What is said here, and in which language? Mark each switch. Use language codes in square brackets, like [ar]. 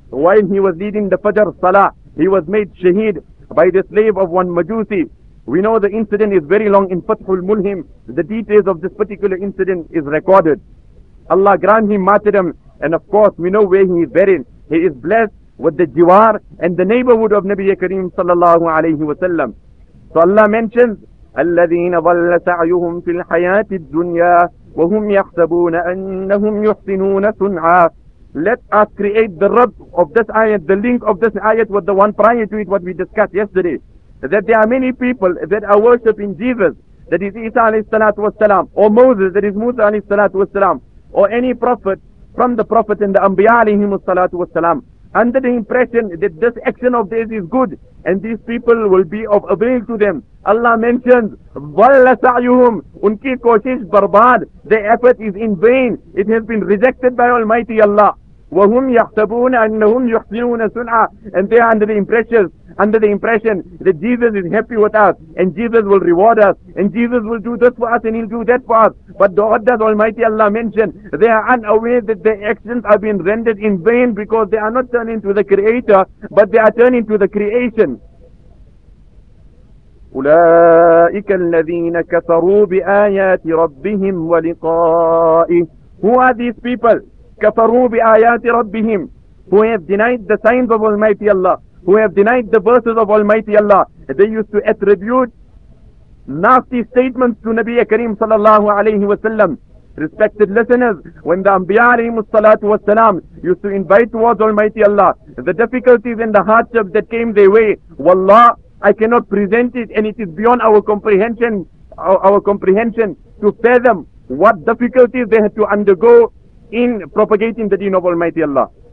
[en] while he was leading the Fajr Salah, he was made shaheed by the slave of one Majusi. We know the incident is very long in Fathul Mulhim. The details of this particular incident is recorded. Allah grant him martyrdom, and of course we know where he is buried. He is blessed with the jiwar and the neighborhood of Nabi Kareem sallallahu alayhi wa sallam. [ar] So Allah mentions, الَّذِينَ ظَلَّ سَعْيُهُمْ فِي الْحَيَاةِ الدُّنْيَا وَهُمْ يَحْسَبُونَ أَنَّهُمْ يُحْسِنُونَ صُنْعًا. [en] Let us create the rub of this ayat, the link of this ayat with the one prior to it, what we discussed yesterday. That there are many people that are worshipping Jesus, that is Isa alayhi salatu was salam, or Moses, that is Musa alayhi salatu was salam, or any prophet from the prophet and the Anbiya alayhi salatu was salam, under the impression that this action of theirs is good, and these people will be of avail to them. Allah mentions, [ar] وَلَّ سَعْيُهُمْ [ur] Unki koshish barbad. [en] Their effort is in vain. It has been rejected by Almighty Allah. [ar] وَهُمْ يَحْتَبُونَ أَنَّهُمْ يُحْسِنُونَ سُنْعَ [en] And they are under the impression that Jesus is happy with us, and Jesus will reward us, and Jesus will do this for us, and he'll do that for us. But what does Almighty Allah mention? They are unaware that their actions are being rendered in vain, because they are not turning to the Creator, but they are turning to the creation. [ar] أُولَٰئِكَ الَّذِينَ كَفَرُوا بِآيَاتِ رَبِّهِمْ وَلِقَائِهِ [en] Who are these people? [ar] كَفَرُوا بِآيَاتِ رَبِّهِمْ [en] Who have denied the signs of Almighty Allah, who have denied the verses of Almighty Allah. They used to attribute nasty statements to Nabi Kareem sallallahu alayhi wa sallam. Respected listeners, when the Anbiya alayhim salatu wa salam used to invite towards Almighty Allah the difficulties and the hardships that came their way, wallah, I cannot present it, and it is beyond our comprehension to fathom what difficulties they had to undergo in propagating the deen of Almighty Allah.